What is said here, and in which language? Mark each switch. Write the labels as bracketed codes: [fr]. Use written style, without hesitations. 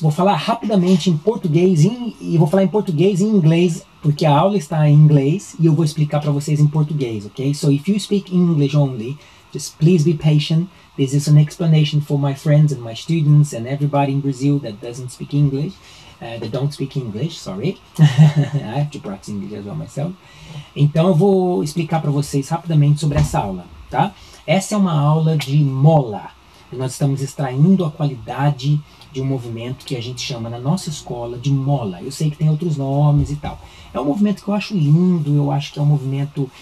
[pt] Vou falar rapidamente em português e vou falar em português e em inglês, porque a aula está em inglês e eu vou explicar para vocês em português, ok? [en] So if you speak English only, just please be patient. This is an explanation for my friends and my students and everybody in Brazil that doesn't speak English. That don't speak English, sorry. I have to practice English as well myself. [pt] Então eu vou explicar para vocês rapidamente sobre essa aula, tá? Essa é uma aula de MOLA. Nós estamos extraindo a qualidade de um movimento que a gente chama na nossa escola de MOLA. Eu sei que tem outros nomes e tal. É um movimento que eu acho lindo, eu acho que é um movimento...